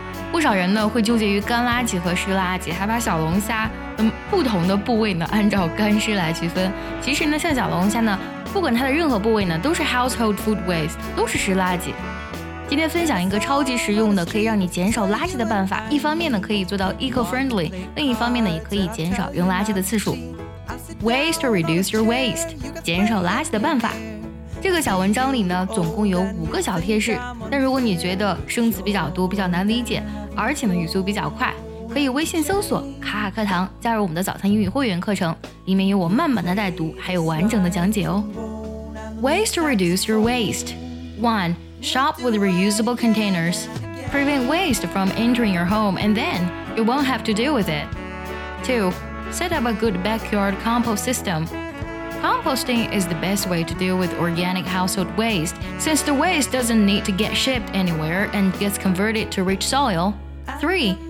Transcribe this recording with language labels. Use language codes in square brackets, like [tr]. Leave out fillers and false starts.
[zh] 不少人呢会纠结于干垃圾和湿垃圾，还把小龙虾不同的部位呢按照干湿来区分。其实呢，像小龙虾呢，不管它的任何部位呢，都是 [en] household food waste， [zh] 都是湿垃圾。今天分享一个超级实用的可以让你减少垃圾的办法，一方面呢可以做到 eco-friendly， 另一方面呢也可以减少扔垃圾的次数。 [en] Waste to reduce your waste， [zh] 减少垃圾的办法。这个小文章里呢总共有五个小贴士，但如果你觉得生词比较多，比较难理解，而且呢语速比较快，可以微信搜索卡卡课堂加入我们的早餐英语会员课程，里面有我慢慢的带读还有完整的讲解哦。 [en] Waste to reduce your waste。 1. Shop with reusable containers. Prevent waste from entering your home and then you won't have to deal with it. 2. Set up a good backyard compost system. Composting is the best way to deal with organic household waste since the waste doesn't need to get shipped anywhere and gets converted to rich soil. 3.